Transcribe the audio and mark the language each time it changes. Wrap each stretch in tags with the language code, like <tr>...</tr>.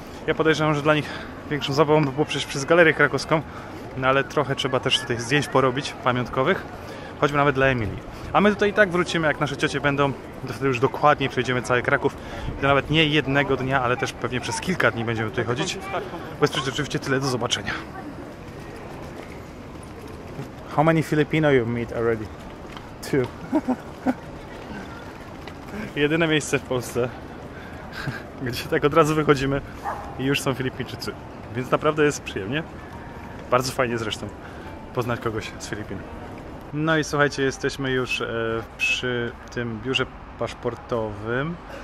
<pl>Ja podejrzewam, że dla nich większą zabawą by było przejść przez Galerię Krakowską, no ale trochę trzeba też tutaj zdjęć porobić pamiątkowych, choćby nawet dla Emilii. A my tutaj i tak wrócimy, jak nasze ciocie będą, to wtedy już dokładnie przejdziemy cały Kraków. To nawet nie jednego dnia, ale też pewnie przez kilka dni będziemy tutaj chodzić. Bo jest przecież oczywiście tyle, do zobaczenia.</pl> <en>How many Filipino you meet already? Two.</en> <pl>Jedyne miejsce w Polsce, gdzie tak od razu wychodzimy i już są Filipińczycy. Więc naprawdę jest przyjemnie. Bardzo fajnie zresztą poznać kogoś z Filipin. No i słuchajcie, jesteśmy już przy tym biurze paszportowym.</pl>